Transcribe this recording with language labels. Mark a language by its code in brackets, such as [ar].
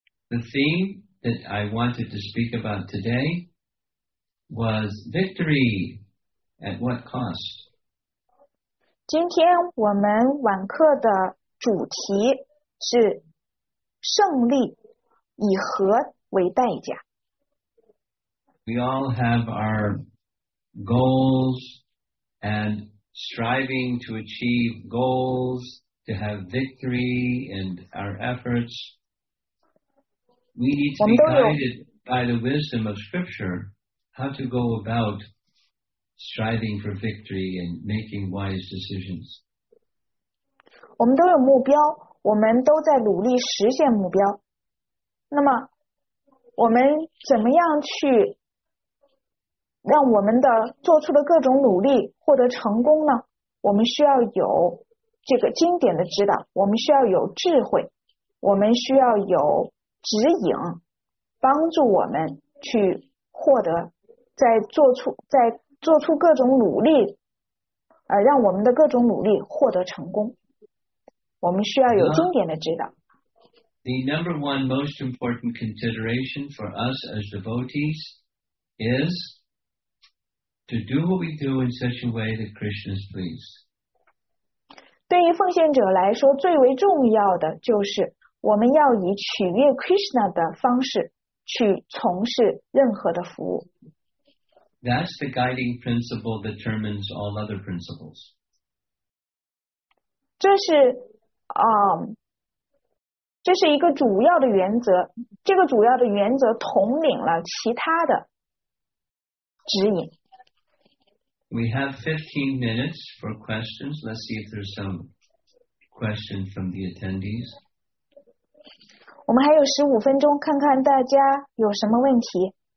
[en] The theme that I wanted to speak about today was victory at what cost? [zh] 今天我们晚课的主题是胜利以何为代价。 [en] We all have our goals and striving to achieve goals, to have victory and our efforts. We need to be guided by the wisdom of Scripture how to go about striving for victory and making wise decisions. [zh] 我们都有目标，我们都在努力实现目标。那么，我们怎么样去让我们的做出的各种努力获得成功呢？我们需要有这个经典的指导，我们需要有智慧，我们需要有指引，帮助我们去获得，在做出各种努力，让我们的各种努力获得成功。我们需要有经典的指导。 [en] The number one most important consideration for us as devotees is to do what we do in such a way that Krishna is pleased. [zh] 对于奉献者来说，最为重要的就是我们要以取悦 Krishna 的方式去从事任何的服务。 [en] That's the guiding principle that determines all other principles. [zh] 这是一个主要的原则，这个主要的原则统领了其他的指引。 [en] We have 15 minutes for questions. Let's see if there's some question from the attendees. [zh] 我们还有十五分钟，看看大家有什么问题。